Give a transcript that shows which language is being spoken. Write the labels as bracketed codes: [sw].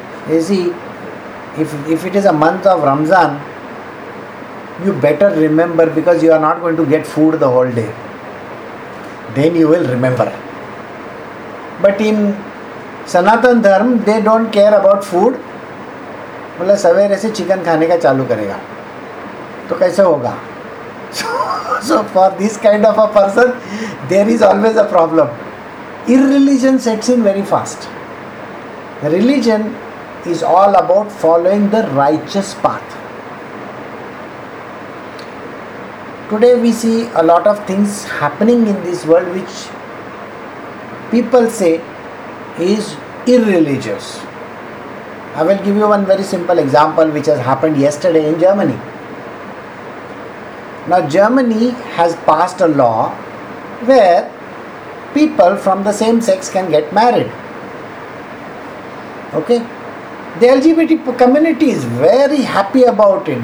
[en] You see, if it is a month of Ramzan, you better remember, because you are not going to get food the whole day. Then you will remember. But in Sanatan Dharma, they don't care about food. [hi] बोले सवेरे से chicken खाने का चालू करेगा तो कैसे होगा. [en] So for this kind of a person there is always a problem. Irreligion sets in very fast. Religion is all about following the righteous path. Today we see a lot of things happening in this world which people say is irreligious. I will give you one very simple example which has happened yesterday in Germany. Now Germany has passed a law where people from the same sex can get married. Okay? The LGBT community is very happy about it.